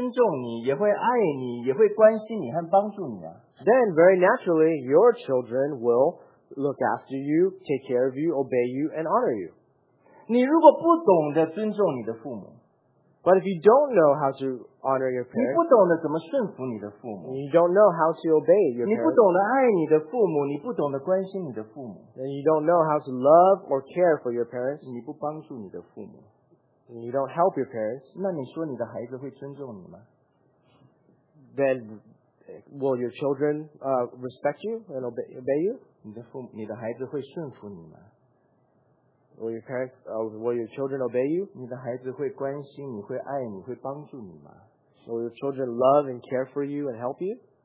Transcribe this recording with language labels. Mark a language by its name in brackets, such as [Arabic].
[Chinese] 那你的孩子就很自然的也会尊重你,也会爱你,也会关心你和帮助你, [English] then very naturally, your children will look after you, take care of you, obey you, and honor you. [Chinese] 你如果不懂得尊重你的父母, [English] but if you don't know how to honor your parents, and you don't know how to obey your parents, [Chinese] 你不懂得爱你的父母, 你不懂得关心你的父母, [English] and you don't know how to love or care for your parents, [Chinese] 你不帮助你的父母, [English] and you don't help your parents, [Chinese] 那你说你的孩子会尊重你吗? [English] Then will your children respect you and obey you? [Chinese] 你的父母, 你的孩子会顺服你吗? [English] Will your parents, will your children obey you? [Chinese] 你的孩子会关心你,会爱你,会帮助你吗? [English] Will your children love and care for you and help you?